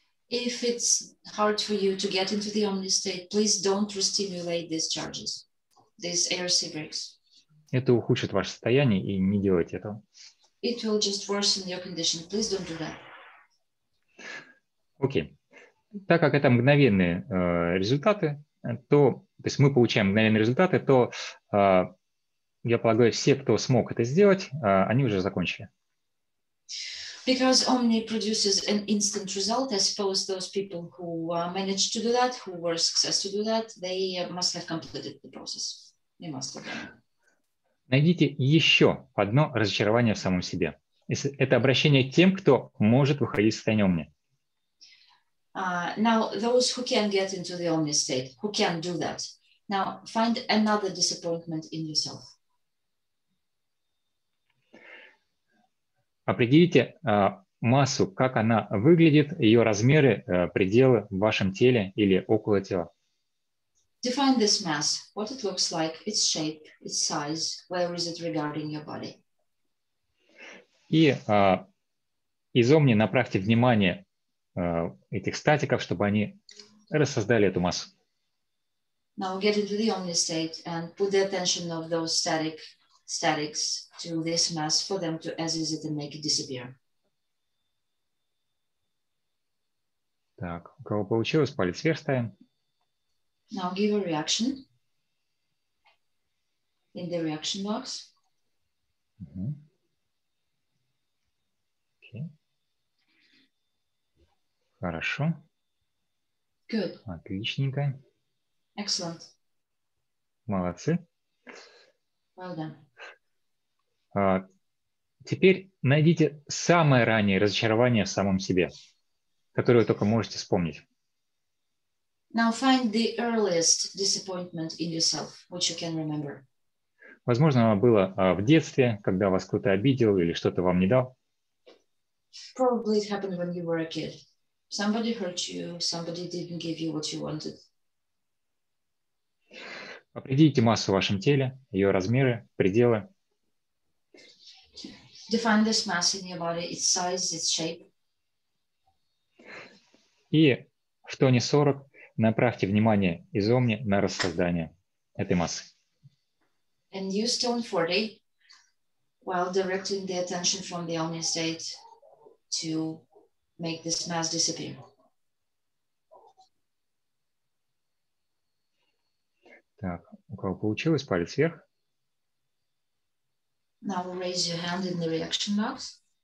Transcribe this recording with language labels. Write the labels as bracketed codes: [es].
[en] If it's hard for you to get into the omni state, please don't restimulate these charges, these ARC breaks. [ru] Это ухудшит ваше состояние, и не делайте этого. [en] It will just worsen your condition. Please don't do that. [ru] Окей. Так как это мгновенные результаты, то есть мы получаем мгновенные результаты, то я полагаю, все, кто смог это сделать, они уже закончили. [en] Because Omni produces an instant result, I suppose those people who managed to do that, who were successful to do that, they must have completed the process. They must have done it. [ru] Найдите еще одно разочарование в самом себе. Это обращение к тем, кто может выходить из состояния Omni. [en] Now, those who can get into the Omni state, who can do that. Now, find another disappointment in yourself. [ru] Определите массу, как она выглядит, ее размеры, пределы в вашем теле или около тела. [en] Define this mass, what it looks like, its shape, its size, where is it regarding your body. [ru] И из Omni направьте внимание этих статиков, чтобы они рассоздали эту массу. [en] Now get into the Omni state and put the attention of those statics to this mass for them to as is it and make it disappear. [ru] Так, у кого получилось, палец вверх ставим. [en] Now give a reaction in the reaction box. Mm-hmm. Okay. [ru] Хорошо. [en] Good. [ru] Отличненько. [en] Excellent. [ru] Молодцы. [en] Well done. [ru] Теперь найдите самое раннее разочарование в самом себе, которое вы только можете вспомнить. [en] Now find the earliest disappointment in yourself, which you can remember. [ru] Возможно, оно было в детстве, когда вас кто-то обидел или что-то вам не дал. [en] Probably it happened when you were a kid. Somebody hurt you, somebody didn't give you what you wanted. [ru] Определите массу в вашем теле, ее размеры, пределы. [en] Define this mass in your body, its size, its shape. [ru] И в тоне 40 направьте внимание из омни на рассоздание этой массы. [en] And use tone 40 while directing the attention from the omni state to make this mass disappear. [ru] Так, у кого получилось, палец вверх. [en] Now raise your hand in the reaction box.